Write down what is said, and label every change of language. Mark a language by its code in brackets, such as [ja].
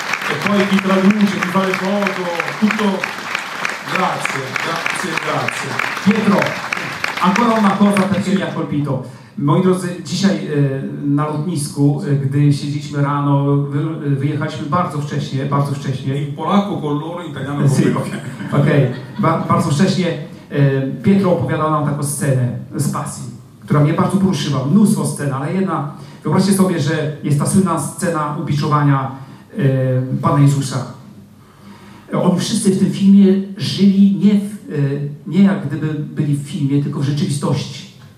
[it] E poi chi traduce, chi fa le foto, tutto. Grazie. Pietro, ancora una cosa perché mi ha colpito. [pl] Moi drodzy, dzisiaj na lotnisku, gdy siedzieliśmy rano, wyjechaliśmy bardzo wcześnie. I Polaku [it] con loro, italiano con loro. [pl] Bardzo wcześnie Pietro opowiadał nam taką scenę z pasji, która mnie bardzo poruszyła. Mnóstwo scen, ale jedna... Wyobraźcie sobie, że jest ta słynna scena ubiczowania Pana Jezusa. Oni wszyscy w tym filmie żyli nie jak gdyby byli w filmie, tylko w rzeczywistości.